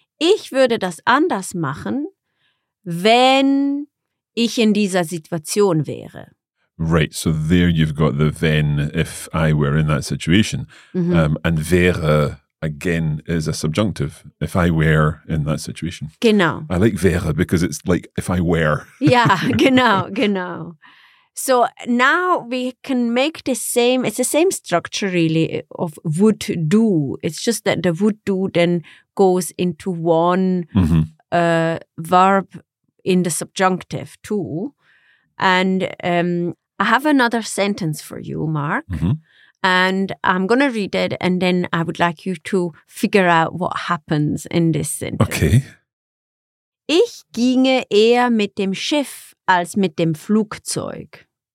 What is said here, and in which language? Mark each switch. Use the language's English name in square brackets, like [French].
[German] Ich würde das anders machen, wenn ich in dieser Situation wäre. [English] Right. So there you've got the wenn, if I were in that situation. Mm-hmm. And wäre... again, is a subjunctive, if I were in that situation. [German] Genau. [English] I like wäre because it's like if I were. Yeah, genau. So now we can make the same, it's the same structure really of would do. It's just that the would do then goes into one verb in the subjunctive too. And I have another sentence for you, Mark. Mm-hmm. And I'm going to read it, and then I would like you to figure out what happens in this sentence. Okay. [German] Ich ginge eher mit dem Schiff als mit dem Flugzeug.